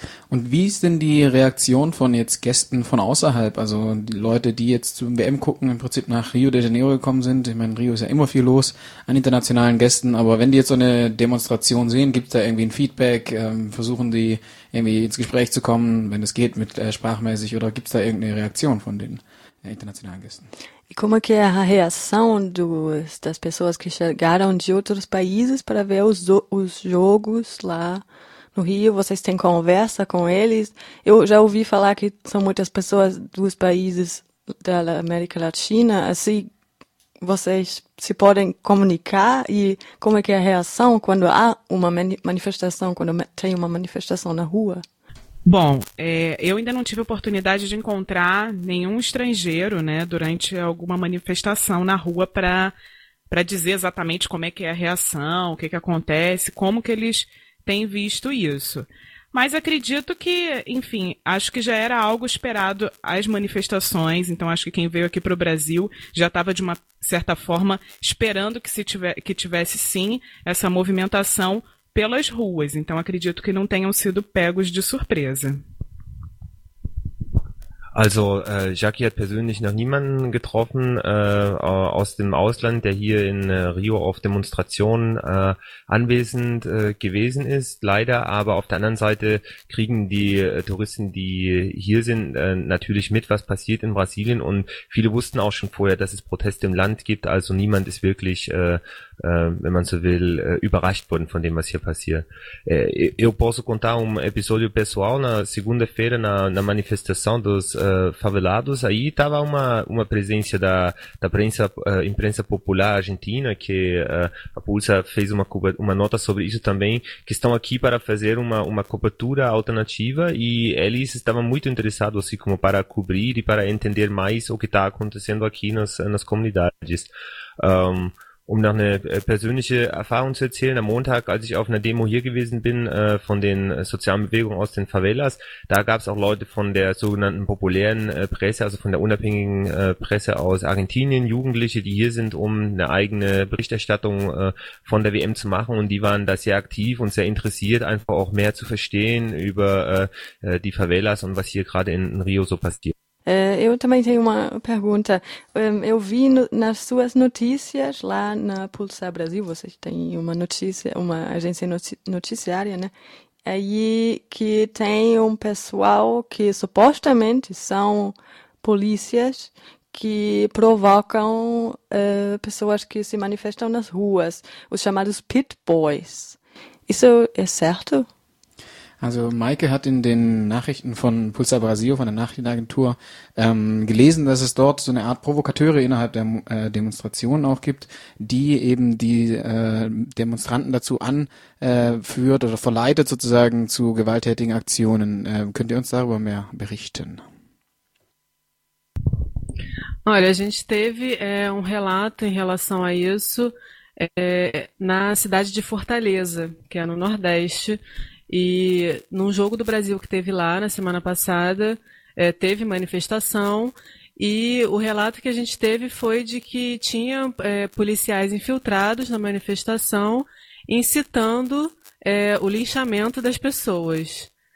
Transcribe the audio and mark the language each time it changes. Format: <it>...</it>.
<de>Und wie ist denn die Reaktion von jetzt Gästen von außerhalb, also die Leute, die jetzt zum WM gucken, im Prinzip nach Rio de Janeiro gekommen sind? Ich meine, Rio ist ja immer viel los an internationalen Gästen, aber wenn die jetzt so eine Demonstration sehen, gibt es da irgendwie ein Feedback, versuchen die irgendwie ins Gespräch zu kommen, wenn es geht, mit sprachmäßig, oder gibt es da irgendeine Reaktion von den internacionais guests?</de> <pt>E como que é a reação das pessoas que chegaram de outros países para ver os jogos lá no Rio? Vocês têm conversa com eles? Eu já ouvi falar que são muitas pessoas dos países da América Latina. Assim, vocês se podem comunicar? E como é que é a reação quando há uma manifestação, quando tem uma manifestação na rua? Bom, eu ainda não tive oportunidade de encontrar nenhum estrangeiro, né, durante alguma manifestação na rua para dizer exatamente como é que é a reação, o que, que acontece, como que eles têm visto isso. Mas acredito que, enfim, acho que já era algo esperado as manifestações, então acho que quem veio aqui para o Brasil já estava, de uma certa forma, esperando que tivesse sim essa movimentação pelas ruas, então acredito que não tenham sido pegos de surpresa.</pt> <de>Also, Jackie hat persönlich noch niemanden getroffen aus dem Ausland, der hier in Rio auf Demonstrationen anwesend gewesen ist, leider. Aber auf der anderen Seite kriegen die Touristen, die hier sind, natürlich mit, was passiert in Brasilien. Und viele wussten auch schon vorher, dass es Proteste im Land gibt. Also niemand ist wirklich, wenn man so will, überrascht worden von dem, was hier passiert.</de> <pt>Eu posso contar episódio pessoal na segunda-feira na manifestação dos favelados. Aí estava uma presença da imprensa popular argentina, que a Pulsa fez uma nota sobre isso também, que estão aqui para fazer uma cobertura alternativa, e eles estavam muito interessados, assim, como para cobrir e para entender mais o que está acontecendo aqui nas comunidades.</pt> <de>Um noch eine persönliche Erfahrung zu erzählen, am Montag, als ich auf einer Demo hier gewesen bin, von den sozialen Bewegungen aus den Favelas, da gab es auch Leute von der sogenannten populären Presse, also von der unabhängigen Presse aus Argentinien, Jugendliche, die hier sind, um eine eigene Berichterstattung von der WM zu machen, und die waren da sehr aktiv und sehr interessiert, einfach auch mehr zu verstehen über die Favelas und was hier gerade in Rio so passiert.</de> <pt>Eu também tenho uma pergunta. Eu vi nas suas notícias lá na Pulsar Brasil, vocês têm uma notícia, uma agência noticiária, né? aí que tem um pessoal que supostamente são polícias que provocam pessoas que se manifestam nas ruas, os chamados pit boys. Isso é certo?</pt> <de>Also Maike hat in den Nachrichten von Pulsar Brasil, von der Nachrichtenagentur, gelesen, dass es dort so eine Art Provokateure innerhalb der Demonstrationen auch gibt, die eben die Demonstranten dazu anführt oder verleitet sozusagen zu gewalttätigen Aktionen. Könnt ihr uns darüber mehr berichten?</de> <pt>Olha, a gente teve um relato em relação a isso na cidade de Fortaleza, que é no Nordeste. E num jogo do Brasil que teve lá na semana passada, teve manifestação e o relato que a gente teve foi de que tinha policiais infiltrados na manifestação incitando o linchamento das pessoas.</pt>